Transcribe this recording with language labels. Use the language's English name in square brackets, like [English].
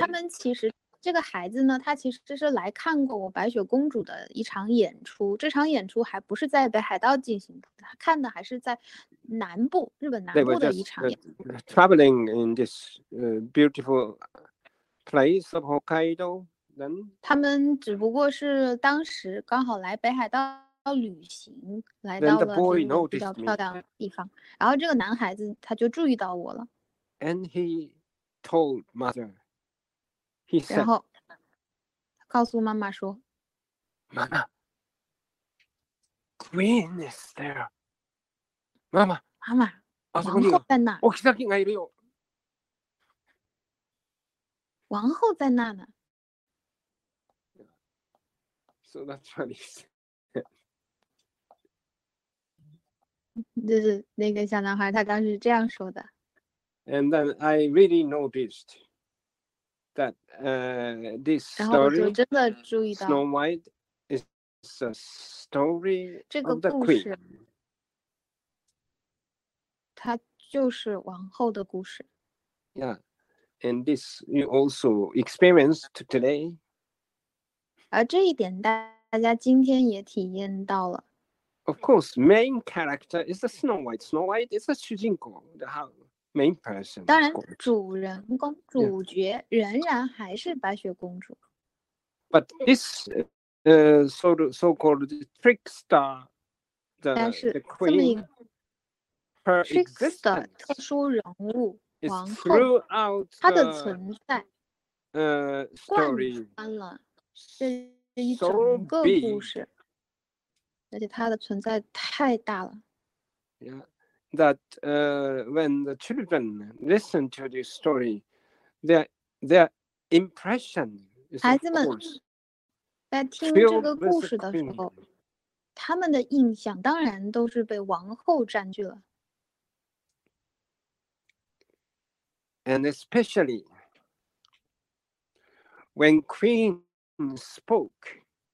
[Chinese] 他们其实这个孩子呢，他其实是来看过我白雪公主的一场演出。这场演出还不是在北海道进行的，他看的还是在南部，日本南部的一场演出。 [English] They were just, traveling in this, beautiful place of Hokkaido, then. [Chinese] 他们只不过是当时刚好来北海道旅行，来到了比较漂亮的地方。然后这个男孩子他就注意到我了。 [English] And he told mother. [Chinese] 然后告诉妈妈说：“ 妈妈 [English] ，Queen is there。妈妈， [Chinese] 妈妈，王后在那。 [Japanese] おきさきがいるよ。 [Chinese] 王后在那呢。 [English] So that's funny. [Chinese] 就是那个小男孩，他当时这样说的。 [English] And then I really noticed. That this story, Snow White, is a story of the queen. [Chinese] 它就是王后的故事。 [English] Yeah, and this you also experienced today. [Chinese] 而这一点大家今天也体验到了。 [English] Of course, main character is the Snow White. Snow White is the [Chinese] 主人公 [English] the house. Main person, [Chinese] 当然主人公主角仍然还是白雪公主。 [English] But this, so-called trickster, the queen, her [Chinese] trickster 特殊人物王后，她的存在， [English] story, [Chinese] 贯穿了这一整个故事，而且她的存在太大了。 Yeah. [English] That when the children listen to this story, their impression is of course, [Chinese] 孩子们在听这个故事的时候，他们的印象当然都是被王后占据了。 [English] And especially when Queen spoke,